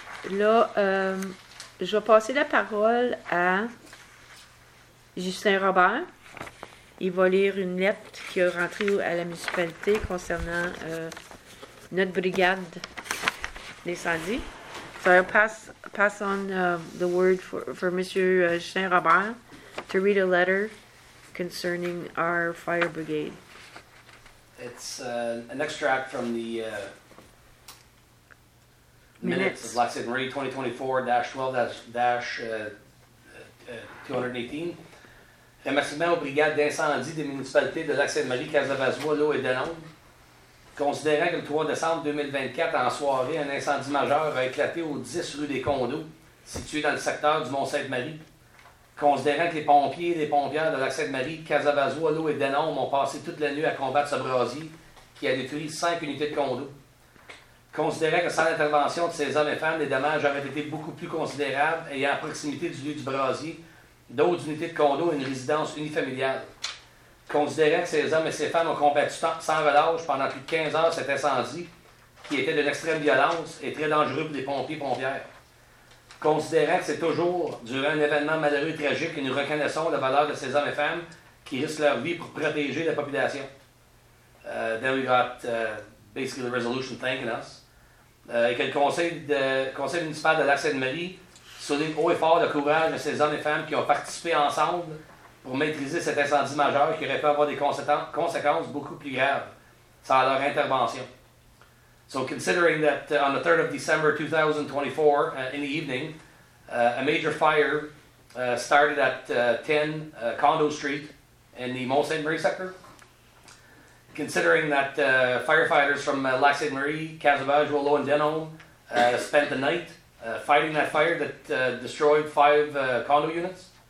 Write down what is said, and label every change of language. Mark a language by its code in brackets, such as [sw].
[fr] Là, je vais passer la parole à Justin Robert. Il va lire une lettre qui est rentrée à la municipalité concernant notre brigade d'incendie. [en] So I'll pass on the word for Monsieur Jean Robert to read a letter concerning our fire brigade. It's an extract from the minutes of Lexington Marine 2024-12-218. [fr] Remerciement aux brigades d'incendie des municipalités de Lexington Marie, Cazavazois, Lowe et Denon. Considérant que le 3 décembre 2024, en soirée, un incendie majeur a éclaté aux 10 rues des Condos, situées dans le secteur du Mont-Sainte-Marie. Considérant que les pompiers et les pompières de l'Axe-Sainte-Marie, Cazavazois, Lowe et Denon ont passé toute la nuit à combattre ce brasier qui a détruit 5 unités de Condos. Considérant que sans l'intervention de ces hommes et femmes, les dommages auraient été beaucoup plus considérables et à proximité du lieu du brasier, d'autres unités de Condos et une résidence unifamiliale. Considérant que ces hommes et ces femmes ont combattu sans relâche pendant plus de 15 heures cet incendie, qui était d'une extrême violence et très dangereux pour les pompiers-pompières. Considérant que c'est toujours durant un événement malheureux et tragique que nous reconnaissons la valeur de ces hommes et femmes qui risquent leur vie pour protéger la population. [en] Then we got basically the resolution thanking us. [fr] Et que le conseil municipal de l'Axe-Sainte-Marie souligne haut et fort le courage de ces hommes et femmes qui ont participé ensemble pour maîtriser cet incendie majeur qui aurait pu avoir des conséquences beaucoup plus graves sans leur intervention. [en] So considering that on the 3rd of December 2024, in the evening, a major fire started at 10 Condo Street in the Mont-Sainte-Marie sector. Considering that firefighters from Lac-Sainte-Marie, Cazavage, Lowe and Denon spent the night fighting that fire that destroyed 5 condo units.